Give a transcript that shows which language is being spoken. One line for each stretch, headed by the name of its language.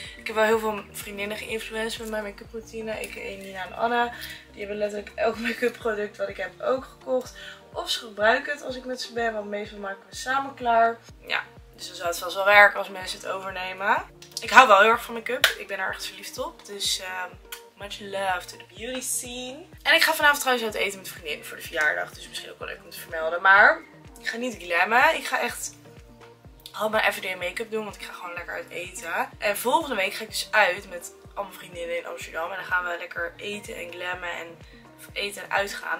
Dutch: Ik heb wel heel veel vriendinnen geïnfluenced met mijn make-up routine. Ik, Nina en Anna, die hebben letterlijk elk make-up product wat ik heb ook gekocht. Of ze gebruiken het als ik met ze ben, want meestal maken we samen klaar. Ja, dus dan zou het wel werken als mensen het overnemen. Ik hou wel heel erg van make-up. Ik ben er echt verliefd op.
English: Dus much love to the beauty scene.
Dutch: En ik ga vanavond trouwens uit eten met vriendin voor de verjaardag. Dus misschien ook wel leuk om te vermelden. Maar ik ga niet glammen. Ik ga echt al mijn everyday make-up doen, want ik ga gewoon lekker uit eten. En volgende week ga ik dus uit met al mijn vriendinnen in Amsterdam. En dan gaan we lekker eten en glammen en... Of eten en uitgaan.